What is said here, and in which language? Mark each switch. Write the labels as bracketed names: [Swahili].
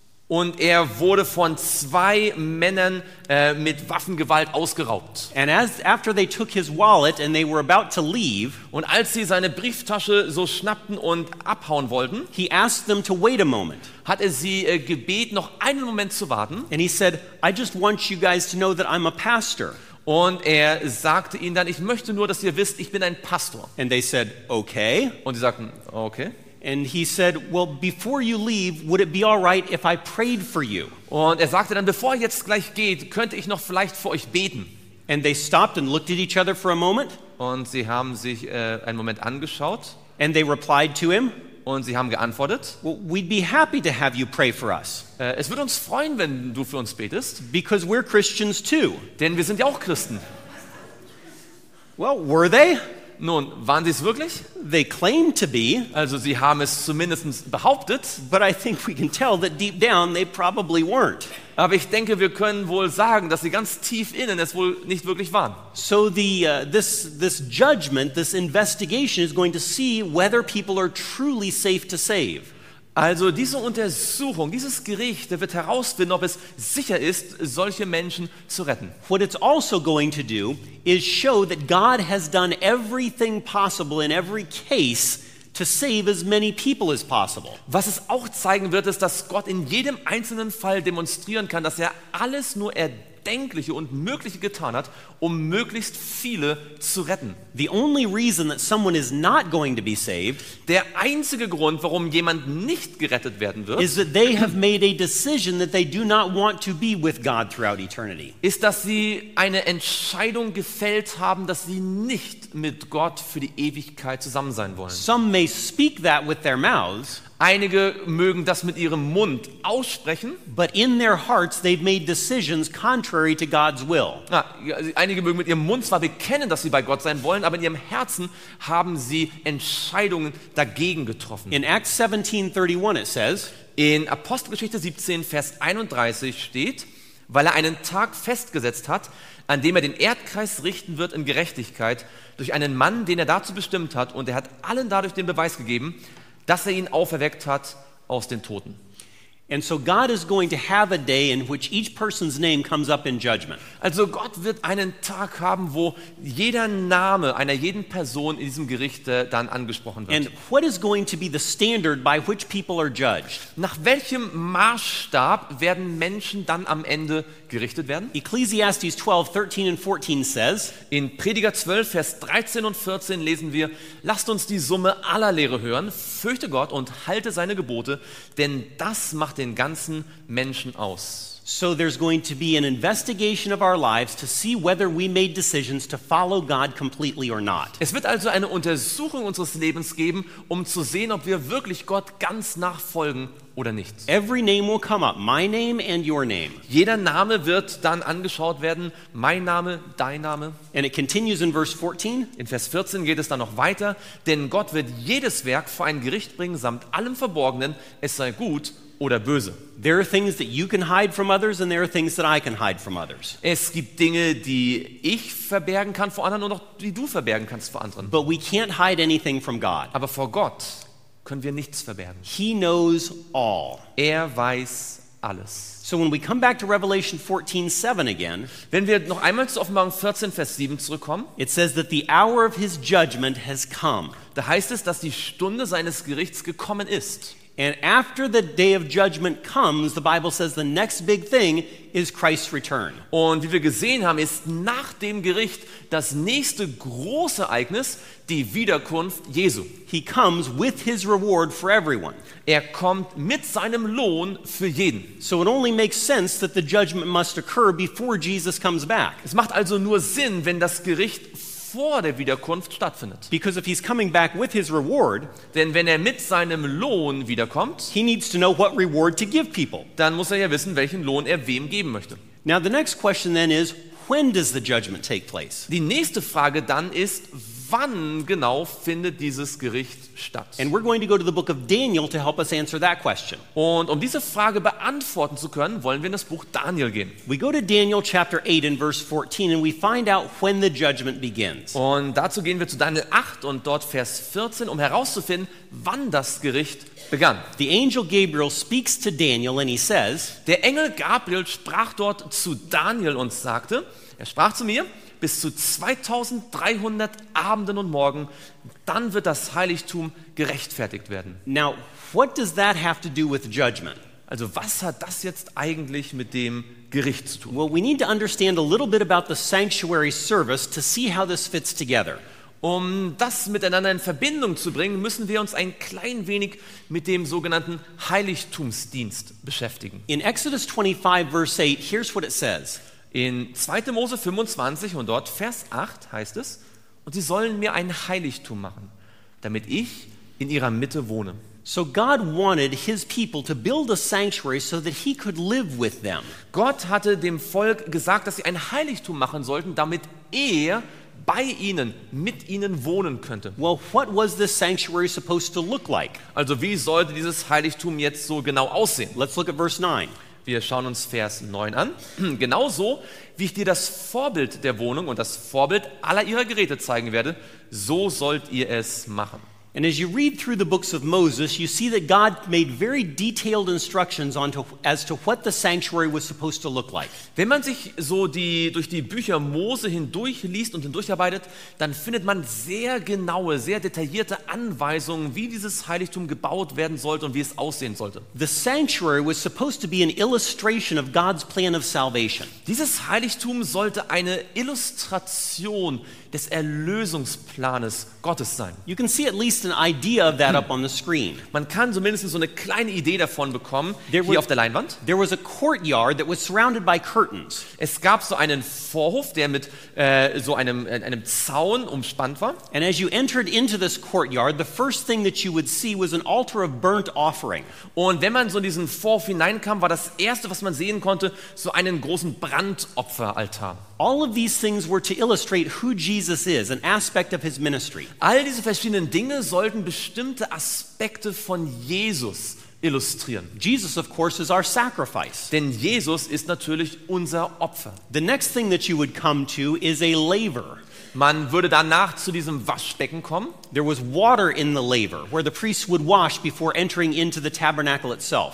[German] Und er wurde von zwei Männern mit Waffengewalt ausgeraubt. [English] And as after they took his wallet and they were about to leave, [German] und als sie seine Brieftasche so schnappten und abhauen wollten, [English] he asked them to wait a moment. [German] Hat er sie gebeten, noch einen Moment zu warten. [English] And he said, I just want you guys to know that I'm a pastor. [German] Und er sagte ihnen dann, ich möchte nur, dass ihr wisst, ich bin ein Pastor. [English] And they said, okay. [German] Und sie sagten, okay. [English] And he said, well, before you leave, would it be all right if I prayed for you? [German] Und er sagte dann, bevor ihr jetzt gleich geht, könnte ich noch vielleicht für euch beten? [English] And they stopped and looked at each other for a moment. [German] Und sie haben sich einen Moment angeschaut. [English] And they replied to him. [German] Und sie haben geantwortet, [English] well, we'd be happy to have you pray for us. [German] Es würde uns freuen, wenn du für uns betest. [English] Because we're Christians too. [German] Denn wir sind ja auch Christen. [English] Well, were they? [German] Nun, waren sie es wirklich? [English] They claim to be. [German] Also sie haben es zumindest behauptet. [English] But I think we can tell that deep down they probably weren't. [German] Aber ich denke, wir können wohl sagen, dass sie ganz tief innen es wohl nicht wirklich waren. [English] So this judgment, this investigation is going to see whether people are truly safe to save. [German] Also diese Untersuchung, dieses Gericht, der wird herausfinden, ob es sicher ist, solche Menschen zu retten. [English] What it's also going to do is show that God has done everything possible in every case to save as many people as possible. [German] Was es auch zeigen wird, ist, dass Gott in jedem einzelnen Fall demonstrieren kann, dass er alles nur Erdenkliche und Mögliche getan hat, um möglichst viele zu retten. [English] The only reason that someone is not going to be saved, [German] der einzige Grund, warum jemand nicht gerettet werden wird, [English] is that they have made a decision that they do not want to be with God throughout eternity. [German] Ist, dass sie eine Entscheidung gefällt haben, dass sie nicht mit Gott für die Ewigkeit zusammen sein wollen. [English] Some may speak that with their mouths. [German] Einige mögen das mit ihrem Mund aussprechen, [English] but in their hearts they've made decisions contrary to God's will. [German] Einige mögen mit ihrem Mund zwar bekennen, dass sie bei Gott sein wollen, aber in ihrem Herzen haben sie Entscheidungen dagegen getroffen. [English] In Acts 17:31 it says, [German] in Apostelgeschichte 17 Vers 31 steht, weil er einen Tag festgesetzt hat, an dem er den Erdkreis richten wird in Gerechtigkeit durch einen Mann, den er dazu bestimmt hat, und er hat allen dadurch den Beweis gegeben, dass er ihn auferweckt hat aus den Toten. [English] And so God is going to have a day in which each person's name comes up in judgment. [German] Also Gott wird einen Tag haben, wo jeder Name einer jeden Person in diesem Gericht dann angesprochen wird. [English] And what is going to be the standard by which people are judged? [German] Nach welchem Maßstab werden Menschen dann am Ende gerichtet werden? [English] Ecclesiastes 12:13-14 says, [German] in Prediger 12 Vers 13 und 14 lesen wir: Lasst uns die Summe aller Lehre hören, fürchte Gott und halte seine Gebote, denn das macht den ganzen Menschen aus. [English] So there's going to be an investigation of our lives to see whether we made decisions to follow God completely or not. [German] Es wird also eine Untersuchung unseres Lebens geben, um zu sehen, ob wir wirklich Gott ganz nachfolgen oder nicht. [English] Every name will come up, my name and your name. [German] Jeder Name wird dann angeschaut werden, mein Name, dein Name. [English] And it continues in verse 14. [German] In Vers 14 geht es dann noch weiter, denn Gott wird jedes Werk vor ein Gericht bringen, samt allem Verborgenen, es sei gut oder böse. [English] There are things that you can hide from others and there are things that I can hide from others. [German] Es gibt Dinge, die ich verbergen kann vor anderen und auch die du verbergen kannst vor anderen. [English] But we can't hide anything from God. [German] Aber vor Gott können wir nichts verbergen. [English] He knows all. [German] Er weiß alles. [English] So when we come back to Revelation 14:7 again, [German] wenn wir noch einmal zu Offenbarung 14 Vers 7 zurückkommen, [English] it says that the hour of his judgment has come. [German] Da heißt es, dass die Stunde seines Gerichts gekommen ist. [English] And after the day of judgment comes, the Bible says the next big thing is Christ's return. [German] Und wie wir gesehen haben, ist nach dem Gericht das nächste große Ereignis die Wiederkunft Jesu. [English] He comes with his reward for everyone. [German] Er kommt mit seinem Lohn für jeden. [English] So it only makes sense that the judgment must occur before Jesus comes back. [German] Es macht also nur Sinn, wenn das Gericht vor der Wiederkunft stattfindet. [English] Because if he's coming back with his reward, [German] denn wenn er mit seinem Lohn wiederkommt, [English] he needs to know what reward to give people. [German] Dann muss er ja wissen, welchen Lohn er wem geben möchte. [English] Now the next question then is, when does the judgment take place? [German] Die nächste Frage dann ist, wann genau findet dieses Gericht statt? [English] And we're going to go to the book of Daniel to help us answer that question. [German] Und um diese Frage beantworten zu können, wollen wir in das Buch Daniel gehen. [English] We go to Daniel chapter 8 in verse 14 and we find out when the judgment begins. [German] Und dazu gehen wir zu Daniel 8 und dort Vers 14, um herauszufinden, wann das Gericht begann. [English] The angel Gabriel speaks to Daniel and he says, [German] der Engel Gabriel sprach dort zu Daniel und sagte, er sprach zu mir, bis zu 2300 Abenden und Morgen, dann wird das Heiligtum gerechtfertigt werden. [English] Now, what does that have to do with judgment? [German] Also, was hat das jetzt eigentlich mit dem Gericht zu tun? [English] Well, we need to understand a little bit about the sanctuary service to see how this fits together. [German] Um das miteinander in Verbindung zu bringen, müssen wir uns ein klein wenig mit dem sogenannten Heiligtumsdienst beschäftigen. [English] In Exodus 25, verse 8, here's what it says. [German] In 2. Mose 25 und dort Vers 8 heißt es, und sie sollen mir ein Heiligtum machen, damit ich in ihrer Mitte wohne. [English] So God wanted his people to build a sanctuary so that he could live with them. [German] Gott hatte dem Volk gesagt, dass sie ein Heiligtum machen sollten, damit er bei ihnen, mit ihnen wohnen könnte. [English] Well, what was this sanctuary supposed to look like? [German] Also wie sollte dieses Heiligtum jetzt so genau aussehen? [English] Let's look at verse 9. [German] Wir schauen uns Vers 9 an. Genauso, wie ich dir das Vorbild der Wohnung und das Vorbild aller ihrer Geräte zeigen werde, so sollt ihr es machen. [English] And as you read through the books of Moses, you see that God made very detailed instructions as to what the sanctuary was supposed to look like. [German] Wenn man sich so durch die Bücher Mose hindurchliest und hindurcharbeitet, dann findet man sehr genaue, sehr detaillierte Anweisungen, wie dieses Heiligtum gebaut werden sollte und wie es aussehen sollte. [English] The sanctuary was supposed to be an illustration of God's plan of salvation. [German] Dieses Heiligtum sollte eine Illustration des Erlösungsplanes Gottes sein. [English] You can see at least an idea of that up on the screen. [German] Man kann zumindest so eine kleine Idee davon bekommen hier auf der Leinwand. [English] There was a courtyard that was surrounded by curtains. [German] Es gab so einen Vorhof, der mit einem Zaun umspannt war. [English] And as you entered into this courtyard, the first thing that you would see was an altar of burnt offering. [German] Und wenn man so in diesen Vorhof hineinkam, war das erste, was man sehen konnte, so einen großen Brandopferaltar. [English] All of these things were to illustrate who Jesus is, an aspect of his ministry. [German] All diese verschiedenen Dinge sollten bestimmte Aspekte von Jesus illustrieren. [English] Jesus, of course, is our sacrifice. [German] Denn Jesus ist natürlich unser Opfer. [English] The next thing that you would come to is a laver. [German] Man würde danach zu diesem Waschbecken kommen. [English] There was water in the laver, where the priests would wash before entering into the tabernacle itself.